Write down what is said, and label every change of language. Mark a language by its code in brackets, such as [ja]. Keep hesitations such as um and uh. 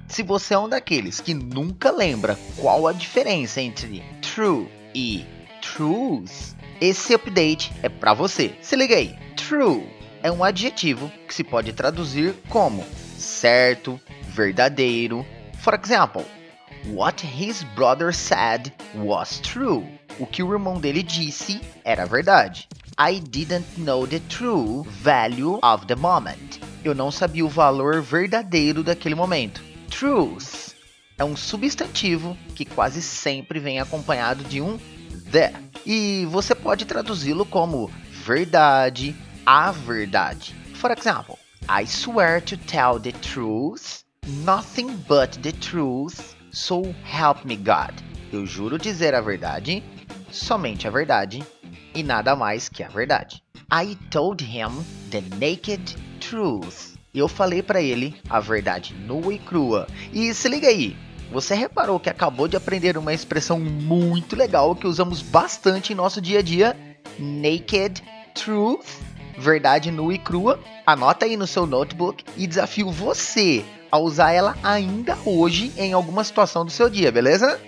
[pt] Se você é um daqueles que nunca lembra qual a diferença entre true e truth. Esse update é para você. Se liga aí. True é um adjetivo que se pode traduzir como certo, verdadeiro. [en] For example, what his brother said was true. [pt] O que o irmão dele disse era verdade. [en] I didn't know the true value of the moment. [pt] Eu não sabia o valor verdadeiro daquele momento. Truth é um substantivo que quase sempre vem acompanhado de um the. E você pode traduzi-lo como verdade, a verdade. [en] For example, I swear to tell the truth, nothing but the truth, so help me God. [pt] Eu juro dizer a verdade, somente a verdade e nada mais que a verdade. [en] I told him the naked truth. [pt] Eu falei para ele a verdade nua e crua. E se liga aí, você reparou que acabou de aprender uma expressão muito legal que usamos bastante em nosso dia a dia? [en] Naked Truth, [pt] verdade nua e crua. Anota aí no seu notebook e desafio você a usar ela ainda hoje em alguma situação do seu dia, beleza?